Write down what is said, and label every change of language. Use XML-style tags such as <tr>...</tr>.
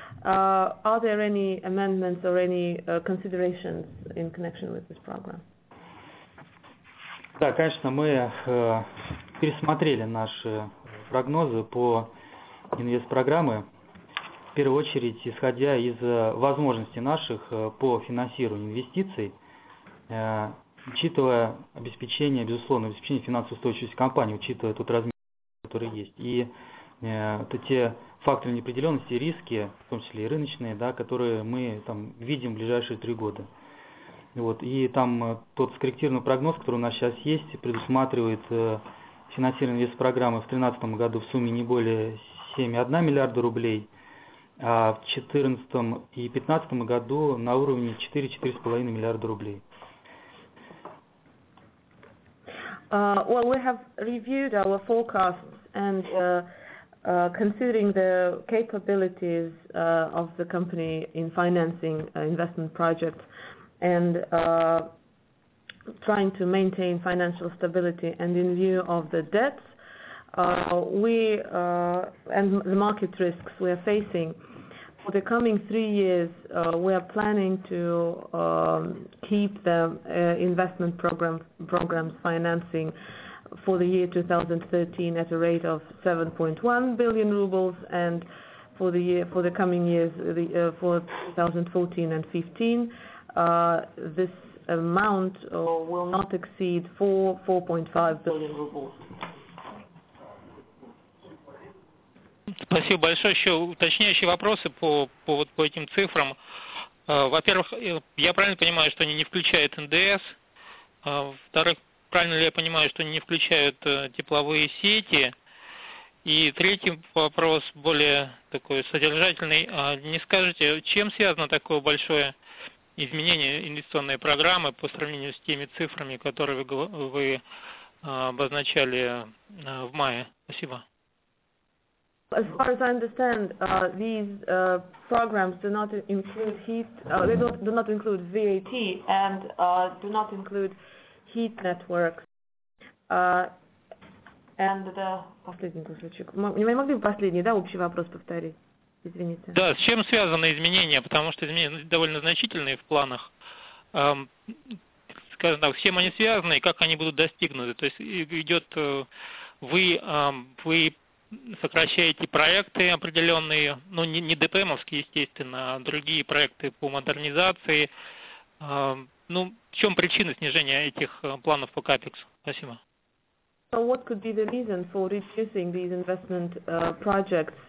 <en>Are there any amendments or any considerations in connection with this program?</en> <ru>Да, конечно, мы пересмотрели наши прогнозы по инвестпрограмме, в первую очередь, исходя из возможностей наших по финансированию инвестиций, учитывая обеспечение, безусловно, обеспечение финансовой устойчивости компании, учитывая тот размер, который есть, и те факторы неопределенности, риски, в том числе и рыночные, да, которые мы там видим в ближайшие три года. Вот, и там тот скорректированный прогноз, который у нас сейчас есть, предусматривает финансирование инвестпрограммы в 2013 году в сумме не более 7,1 миллиарда рублей, а в 2014 и 2015 году на уровне 4-4,5 миллиарда рублей.</ru> <en>Well, we have reviewed our forecasts and considering the capabilities of the company in financing investment projects and trying to maintain financial stability and in view of the debts and the market risks we are facing, for the coming 3 years, we are planning to keep the investment programs financing for the year 2013 at a rate of 7.1 billion rubles, and for 2014 and 15, this amount will not exceed 4.5 billion rubles.</en> <ru>Спасибо большое. Еще уточняющие вопросы по этим цифрам. Во-первых, я правильно понимаю, что они не включают НДС? Во-вторых, правильно ли я понимаю, что они не включают тепловые сети? И третий вопрос, более такой содержательный. Не скажете, чем связано такое большое изменение инвестиционной программы по сравнению с теми цифрами, которые вы обозначали в мае? Спасибо.</ru> <en>As far as I understand, these programs do not include heat. They do not include VAT and do not include heat networks. And the</en> <ru>последний кусочек. Не могли бы последний, да, общий вопрос повторить? Извините. Да, с чем связаны изменения? Потому что изменения довольно значительные в планах. Скажем так, с чем они связаны и как они будут достигнуты? То есть идет вы сокращаете проекты определенные, ну не ДПМовские, естественно, а другие проекты по модернизации. Ну, в чем причина снижения этих планов по капексу? Спасибо.</ru> <en>So what could be the reason for reducing these investment projects?</en>